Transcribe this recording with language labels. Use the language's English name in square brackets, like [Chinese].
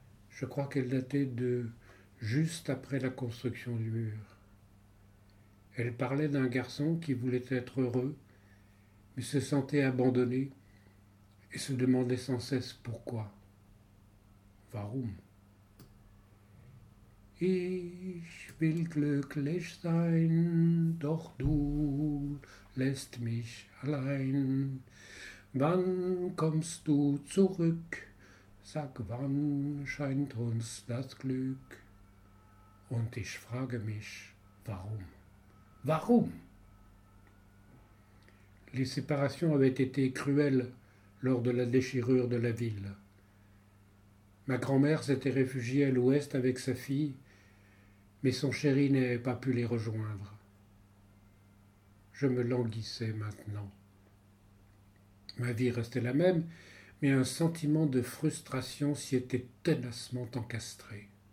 [French] Je crois qu'elle datait de juste après la construction du mur. Elle parlait d'un garçon qui voulait être heureux, mais se sentait abandonné et se demandait sans cesse pourquoi. [German] Warum? Ich will glücklich sein, doch du lässt mich allein. Wann kommst du zurück? Sag, wann scheint uns das Glück? Und ich frage mich, warum? Warum? [French] Les séparations avaient été cruelles lors de la déchirure de la ville. Ma grand-mère s'était réfugiée à l'ouest avec sa fille, mais son chéri n'avait pas pu les rejoindre. Je me languissais maintenant. Ma vie restait la même, mais un sentiment de frustration s'y était tenacement encastré.